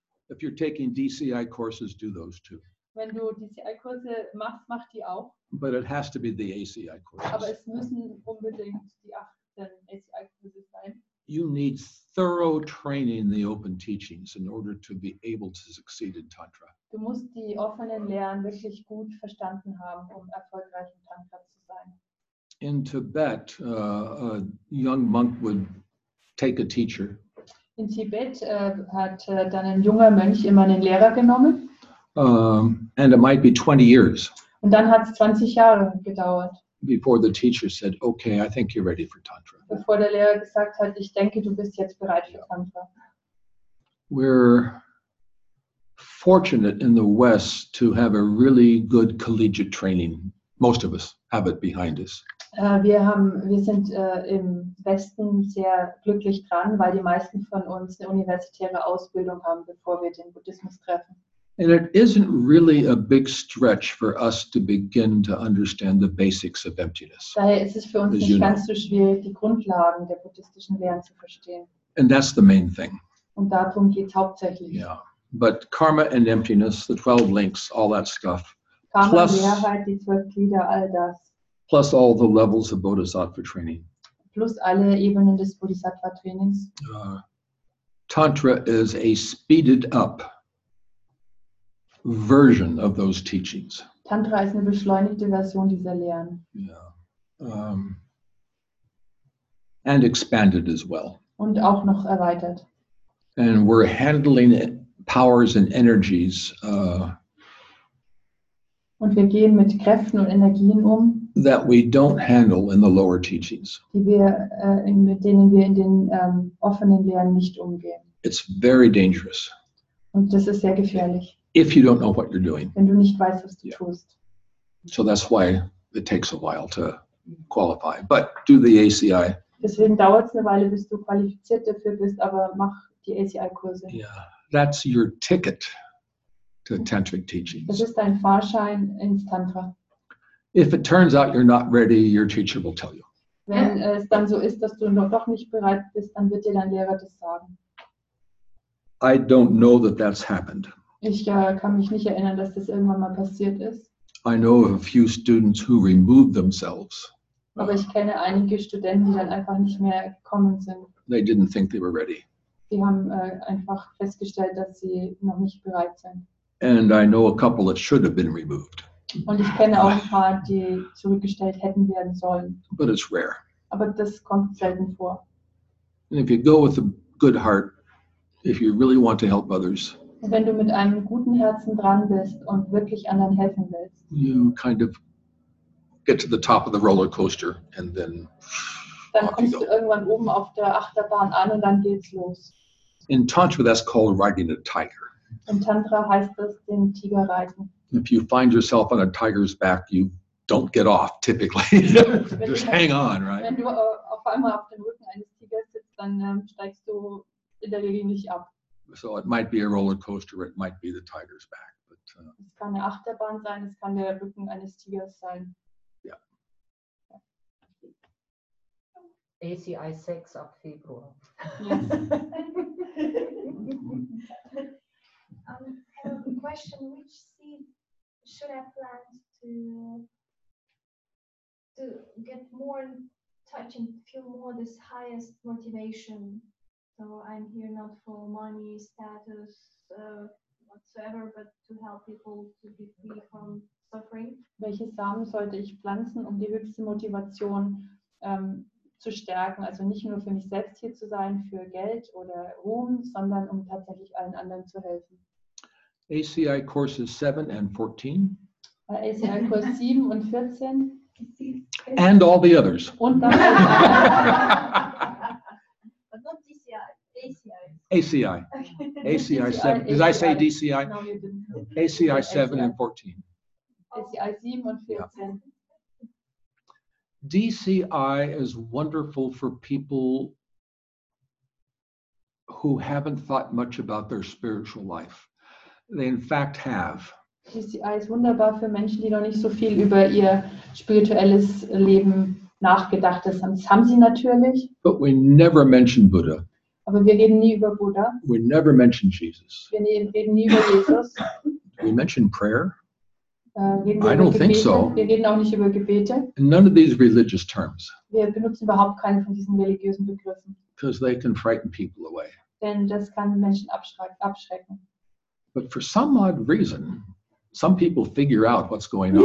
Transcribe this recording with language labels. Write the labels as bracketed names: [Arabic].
[English] If you're taking DCI courses, do those too. [German] Wenn du DCI-Kurse machst, mach die auch. [English] But it has to be the ACI courses. [German] Aber es müssen unbedingt die 18 ACI-Kurse sein. [English] You need thorough training in the open teachings in order to be able to succeed in Tantra. [German] Du musst die offenen Lehren wirklich gut verstanden haben, um erfolgreich in Tantra zu sein. [English] In Tibet, a young monk would take a teacher. [German] In Tibet hat dann ein junger Mönch immer einen Lehrer genommen. [English] And it might be 20 years. [German] Und dann hat es 20 Jahre gedauert. [English] Before the teacher said, okay, I think you're ready for Tantra. [German] Bevor der Lehrer gesagt hat, ich denke, du bist jetzt bereit für Tantra. [English] We're fortunate in the West to have a really good collegiate training. Most of us have it behind us. [German] Wir sind im Westen sehr glücklich dran, weil die meisten von uns eine universitäre Ausbildung haben, bevor wir den Buddhismus treffen. [English] And it isn't really a big stretch for us to begin to understand the basics of emptiness. [German] Daher ist es für uns nicht ganz so schwierig, die Grundlagen der buddhistischen Lehren zu verstehen. [English] And that's the main thing. [German] Und darum geht's hauptsächlich. [English] Yeah. But karma and emptiness, the 12 links, all that stuff. [German] Karma, plus, Leerheit, die 12 Glieder, all das. [English] Plus all the levels of Bodhisattva training. [German] Plus alle Ebenen des Bodhisattva Trainings. [English] Tantra is a speeded up version of those teachings. [German] Tantra ist eine beschleunigte Version dieser Lehren. [English] And expanded as well. [German] Und auch noch erweitert. [English] And we're handling powers and energies. [German] Und wir gehen mit Kräften und Energien um. [English] That we don't handle in the lower teachings. [German] Die wir, mit denen wir in den offenen Lehren nicht umgehen. [English] It's very dangerous. [German] Und das ist sehr gefährlich. [English] If you don't know what you're doing. [German] Wenn du nicht weißt, was du tust. [English] So that's why it takes a while to qualify. But do the ACI. [German] Deswegen dauert es eine Weile, bis du qualifiziert dafür bist, aber mach die ACI-Kurse. [English] Yeah, that's your ticket to tantric teachings. [German] Das ist dein Fahrschein ins Tantra. [English] If it turns out you're not ready, your teacher will tell you. [German] Wenn es dann so ist, dass du noch doch nicht bereit bist, dann wird dir dein Lehrer das sagen. [English] I don't know that that's happened. [German] Ich kann mich nicht erinnern, dass das irgendwann mal passiert ist. [English] I know of a few students who removed themselves. [German] Aber ich kenne einige Studenten, die dann einfach nicht mehr gekommen sind. [English] They didn't think they were ready. [German] Sie haben einfach festgestellt, dass sie noch nicht bereit sind. [English] And I know a couple that should have been removed. [German] Und ich kenne auch ein paar, die zurückgestellt hätten werden sollen. [English] But it's rare. [German] Aber das kommt selten vor. [English] And if you go with a good heart, if you really want to help others, [German] und wenn du mit einem guten Herzen dran bist und wirklich anderen helfen willst, [English] you kind of get to the top of the roller coaster and then [German] dann kommst du irgendwann oben auf der Achterbahn an und dann geht's los. [English] In Tantra, that's called riding a tiger. [German] In Tantra heißt das, den Tiger reiten. [English] If you find yourself on a tiger's back, you don't get off, typically. Just hang on, right? [German] Wenn du auf einmal auf dem Rücken eines Tigers sitzt, dann steigst du in der Regel nicht ab. [English] So it might be a roller coaster, it might be the tiger's back. But, [German] es kann eine Achterbahn sein, es kann der Rücken eines Tigers sein. Ja. Yeah. ACI 6 ab Februar. [English] Question, which seed should I plant to get more in touch and feel more this highest motivation? So I'm here not for money, status, whatsoever, but to help people to be free from suffering. [German] Welche Samen sollte ich pflanzen, um die höchste Motivation zu stärken? Also nicht nur für mich selbst hier zu sein, für Geld oder Ruhm, sondern um tatsächlich allen anderen zu helfen. [English] ACI Courses 7 and 14. [German] ACI Kurs 7 und 14. [English] And all the others. [German] Und dann ACI. [English] ACI 7. Did I say DCI? ACI 7 and 14. [German] ACI 7 und 14. [English] DCI is wonderful for people who haven't thought much about their spiritual life. They in fact have. [German] DCI ist wunderbar für Menschen, die noch nicht so viel über ihr spirituelles Leben nachgedacht haben. Das haben sie natürlich. [English] But we never mention Buddha. [German] Aber wir reden nie über Buddha. [English] We never mention Jesus. [German] Wir reden nie über Jesus. [English] We mention prayer. I don't think so. [German] Wir reden auch nicht über Gebete. [English] None of these religious terms. [German] Wir benutzen überhaupt keine von diesen religiösen Begriffen. [English] Because they can frighten people away. [German] Denn das kann Menschen abschrecken. [English] But for some odd reason, some people figure out what's going on.